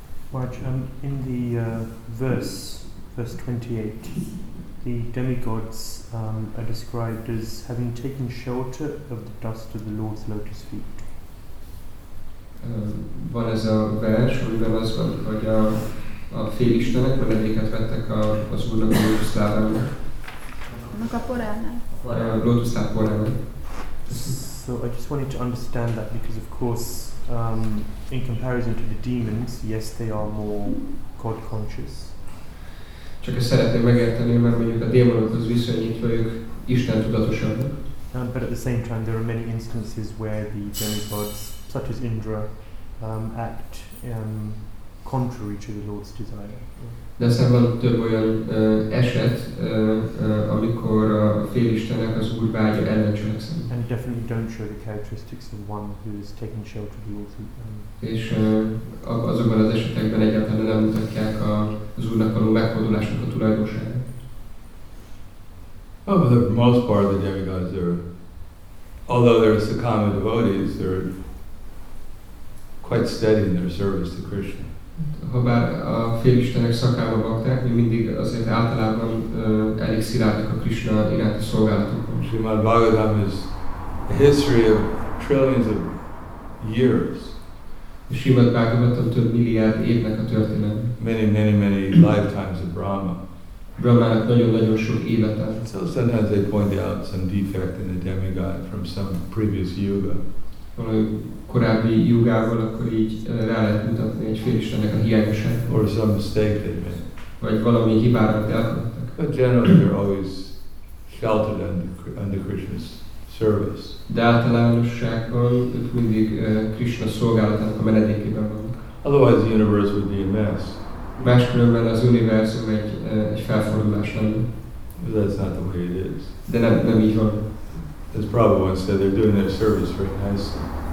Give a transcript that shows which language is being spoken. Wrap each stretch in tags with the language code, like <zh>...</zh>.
<en>Watch, in the verse 28, the demigods are described as having taken shelter of the dust of the Lord's lotus feet.</en> <hu>Van ez a vers, amiben az van, hogy a félistenek menedéket vettek az Úrnak a lotus lábának. A poránál. A lotus láb poránál.</hu> <en>So I just wanted to understand that because of course in comparison to the demons, yes they are more God conscious.</en> <hu>Csak ezt szeretném megérteni, mert mondjuk a démonokhoz viszonyítva ők Isten tudatosabbak.</hu> <en>But at the same time, there are many instances where the demigods, such as Indra, act contrary to the Lord's desire.</en> <hu>De aztán van több olyan eset, amikor a félistenek az Úr vágya ellen cselekszenek.</hu> <en>And definitely don't show the characteristics of one who is taking shelter of the Lord's</en> <hu>És azokban az esetekben egyáltalán nem mutatják az Úrnak való meghódolásnak a tulajdonságát.</hu> <en>Oh, but the most part of the demigods are, although they're Sakama devotees, they're quite steady in their service to Krishna.</en> <hu>Habár a félistenek szakába bakták, mi mindig azért általában elég szilárdak a Krishna iránti szolgálatokon.</hu> <en>Srimad Bhagavatam is a history of trillions of years.</en> <hu>Srimad Bhagavatam több milliárd évnek a történet.</hu> <en>Many, many, many lifetimes of Brahma.</en> <hu>Brahmának nagyon-nagyon sok élete.</hu> <en>So sometimes they point out some defect in the demigod from some previous yuga.</en> <hu>Valami korábbi jugával akkor így rá lehet mutatni egy félistennek a hiányosságot.</hu> <en>Or some mistake they made.</en> <hu>Vagy valami hibára elkövettek.</hu> <en>But generally they're always sheltered under Krishna's service.</en> <hu>De általánosságban ők mindig Krishna szolgálatának a menedékében vannak.</hu> <en>Otherwise the universe would be a mess.</en> <hu>Máskülönben az univerzum egy felfordulás lenne.</hu> <en>But that's not the way it is.</en> <hu>De nem így van.</hu> <en>As Prabhupada said, they're doing their service very nicely.</en>